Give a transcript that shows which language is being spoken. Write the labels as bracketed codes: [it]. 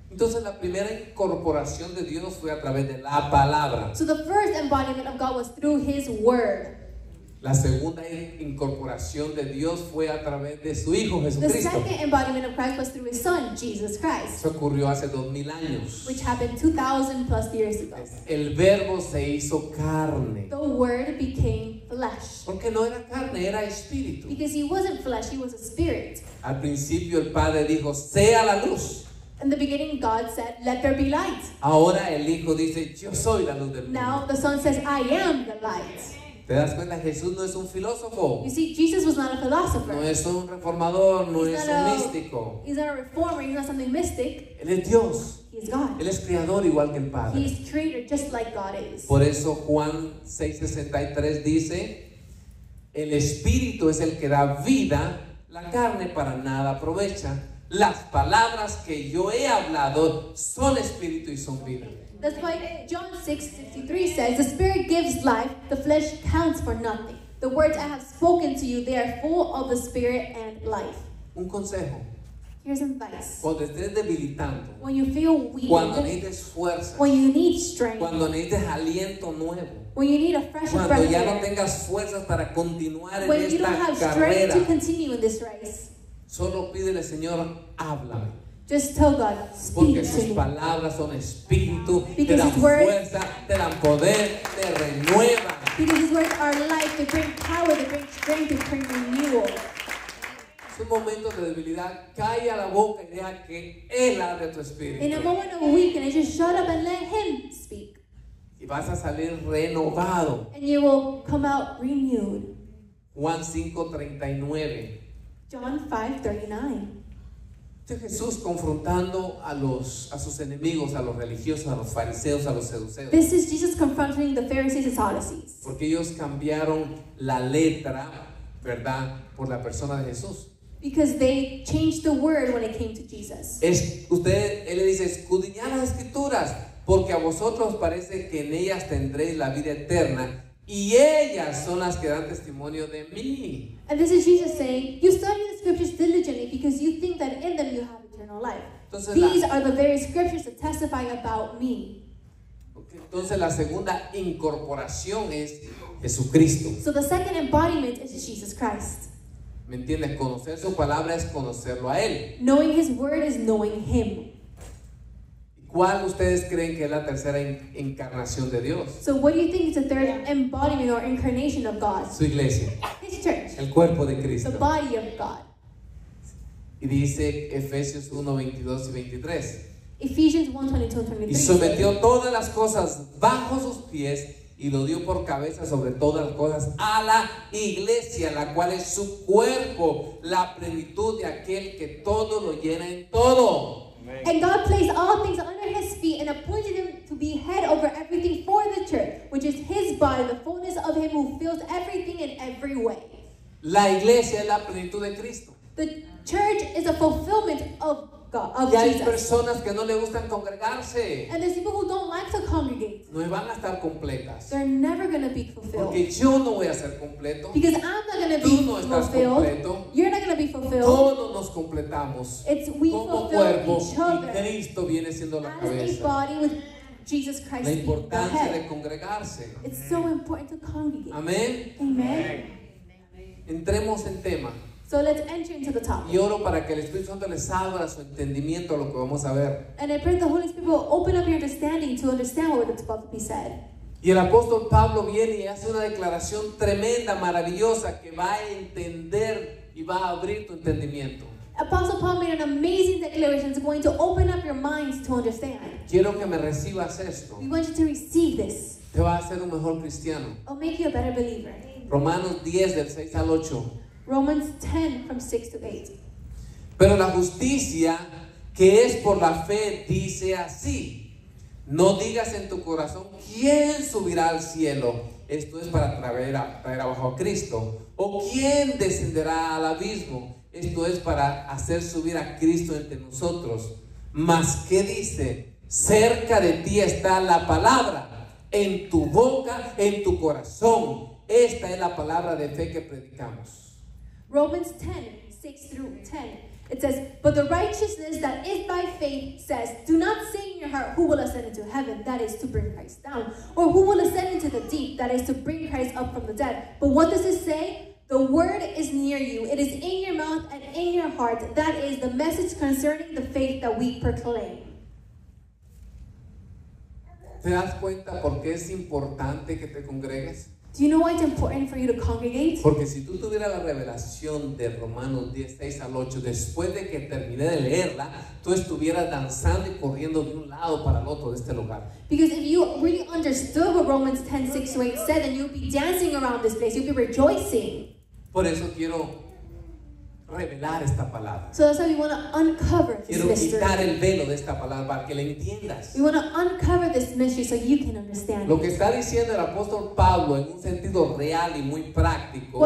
[es] Entonces la primera incorporación de Dios fue a través de la palabra. [en] So the first embodiment of God was through his word. [es] La segunda incorporación de Dios fue a través de su Hijo Jesucristo. [en] The second embodiment of Christ was through his Son, Jesus Christ. [es] Eso ocurrió hace 2,000 años. [en] Which happened 2,000 plus years ago. [es] El Verbo se hizo carne. [en] The Word became flesh. [es] Porque no era carne, era espíritu. [en] Because he wasn't flesh, he was a spirit. [es] Al principio el Padre dijo, sea la luz. [en] In the beginning, God said, let there be light. [es] Ahora el Hijo dice, yo soy la luz del mundo. [en] Now the Son says, I am the light. [es] ¿Te das cuenta? Jesús no es un filósofo. [en] You see, Jesus was not a philosopher. [es] No es un reformador, no es un místico. [en] He's not a reformer, he's not something mystic. [es] Él es Dios. [en] He is God. [es] Él es creador igual que el Padre. [en] He is creator just like God is. [es] Por eso Juan 6:63 dice, el Espíritu es el que da vida, la carne para nada aprovecha. Las palabras que yo he hablado son Espíritu y son vida. [en] That's why John 6:63 says, the Spirit gives life, the flesh counts for nothing. The words I have spoken to you, they are full of the Spirit and life. [es] Un consejo. [en] Here's advice. [es] Cuando estés debilitando. [en] When you feel weak. [es] Cuando necesites fuerza. [en] When you need strength. [es] Cuando necesites aliento nuevo. [en] When you need a fresh [es] cuando [en] fresh [es] ya [en] air. [es] No tengas fuerzas para continuar [en] when [es] en esta carrera. [en] When you don't have strength to continue in this race. [es] Solo pídele, Señor, háblame. [en] Just tell God, speak to me. [es] Porque sus palabras son espíritu, te dan fuerza, te dan poder, te renuevan. [en] Because his words are life, they bring power, they bring strength, they bring renewal. [es] Es un momento de debilidad, cae a la boca y deja que él hable tu espíritu. [en] In a moment of weakness, just shut up and let him speak. [es] Y vas a salir renovado. [en] And you will come out renewed. [es] Juan 5:39. [en] John 5:39. [es] Jesús confrontando a sus enemigos, a los religiosos, a los fariseos, a los saduceos. [en] This is Jesus confronting the Pharisees and Sadducees. [es] Porque ellos cambiaron la letra, ¿verdad?, por la persona de Jesús. [en] Because they changed the word when it came to Jesus. [es] Él le dice, escudriñad las escrituras, porque a vosotros parece que en ellas tendréis la vida eterna. Y ellas son las que dan testimonio de mí. [en] And this is Jesus saying, you study the scriptures diligently because you think that in them you have eternal life. [es] Entonces, [en] these are the very scriptures that testify about me. Okay. [es] Entonces la segunda incorporación es Jesucristo. [en] So the second embodiment is Jesus Christ. [es] ¿Me entiendes? Conocer su palabra es conocerlo a él. [en] Knowing his word is knowing him. [es] ¿Cuál ustedes creen que es la tercera encarnación de Dios? [en] So what do you think is the third embodiment or incarnation of God? [es] Su iglesia. [en] His church. [es] El cuerpo de Cristo. [en] The body of God. [es] Y dice Efesios 1:22-23. [en] Ephesians 1:22-23. [es] Y sometió todas las cosas bajo sus pies y lo dio por cabeza sobre todas las cosas a la iglesia, la cual es su cuerpo, la plenitud de aquel que todo lo llena en todo. [en] And God placed all things under his feet and appointed him to be head over everything for the church, which is his body, the fullness of him who fills everything in every way. [es] La iglesia es la plenitud de Cristo. [en] The church is a fulfillment of God, of [es] y hay [en] Jesus. [es] Personas que no le gustan congregarse. [en] And there's people who don't like to congregate. [es] No van a estar completas. [en] They're never going to be fulfilled. [es] Porque yo no voy a ser completo. [en] Because I'm not going to be [es] no [en] fulfilled. [es] Completo. [en] You're not going to be fulfilled. [es] Todos nos completamos. [en] It's we [es] como [en] fulfill each other. [es] Y Cristo viene siendo la [en] as [es] cabeza. [en] A body with Jesus Christ. [es] La importancia de congregarse. [en] It's so important to congregate. [es] Amén. [en] Amen. [es] Entremos en tema. [en] So let's enter into the topic. [es] Y oro para que el Espíritu Santo les abra su entendimiento a lo que vamos a ver. [en] And I pray the Holy Spirit will open up your understanding to understand what is about to be said. [es] Y el apóstol Pablo viene y hace una declaración tremenda, maravillosa, que va a entender y va a abrir tu entendimiento. [en] Apostle Paul made an amazing declaration that's going to open up your minds to understand. [es] Quiero que me recibas esto. [en] We want you to receive this. [es] Te va a hacer un mejor cristiano. [en] It'll make you a better believer. [es] Romanos 10 del 6 al 8. [en] Romans 10 from 6 to 8. [es] Pero la justicia que es por la fe dice así: no digas en tu corazón quién subirá al cielo, Esto es para traer abajo a Cristo. ¿O quién descenderá al abismo? Esto es para hacer subir a Cristo entre nosotros. ¿Mas qué dice? Cerca de ti está la palabra, en tu boca, en tu corazón. Esta es la palabra de fe que predicamos. [en] Romans 10, 6 through 10. It says, but the righteousness that is by faith says, do not say in your heart, who will ascend into heaven, that is to bring Christ down. Or who will ascend into the deep, that is to bring Christ up from the dead. But what does it say? The word is near you. It is in your mouth and in your heart. That is the message concerning the faith that we proclaim. [es] ¿Te das cuenta por qué es importante que te congregues? [en] Do you know why it's important for you to congregate? [es] Porque si tú tuvieras la revelación de Romanos 10:6 al 8, después de que terminé de leerla, tú estuvieras danzando y corriendo de un lado para el otro de este lugar. [en] Because if you really understood what Romans 10:6-8 said, then you'd be dancing around this place. You'd be rejoicing. [es] Por eso quiero revelar esta palabra. [en] So that's why we want to uncover this mystery. [es] Quiero quitar el velo de esta palabra para que la entiendas. [en] We want to uncover this mystery so you can understand. [es] Lo que está diciendo el apóstol Pablo en un sentido real y muy práctico.